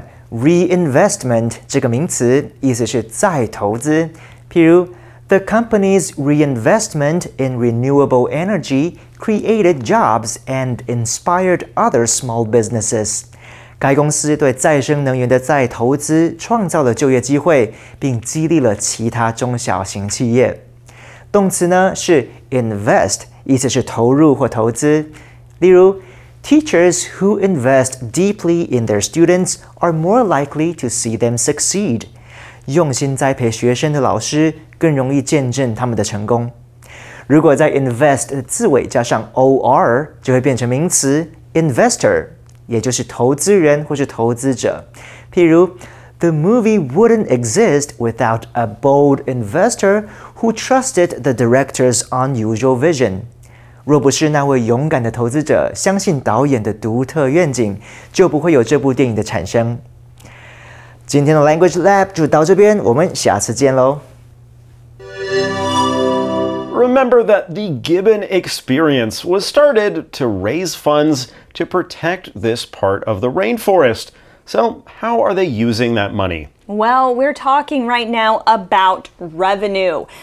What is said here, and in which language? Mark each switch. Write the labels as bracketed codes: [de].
[en] Reinvestment [zh] 这个名词意思是再投资，譬如 [en] The company's reinvestment in renewable energy created jobs and inspired other small businesses. [zh] 该公司对再生能源的再投资创造了就业机会，并激励了其他中小型企业。动词呢是 invest， 意思是投入或投资。例如 [en] Teachers who invest deeply in their students are more likely to see them succeed. [zh] 用心栽培学生的老师更容易见证他们的成功。如果在 invest 的字尾加上 or, 就会变成名词 investor, 也就是投资人或是投资者。譬如 [en] The movie wouldn't exist without a bold investor who trusted the director's unusual vision. [zh] 若不是那位勇敢的投资者相信导演的独特愿景，就不会有这部电影的产生。今天的 Language Lab 就到这边，我们下次见咯。 [en] Remember that the Gibbon Experience was started to raise funds to protect this part of the rainforest. So, how are they using that money? Well, we're talking right now about revenue.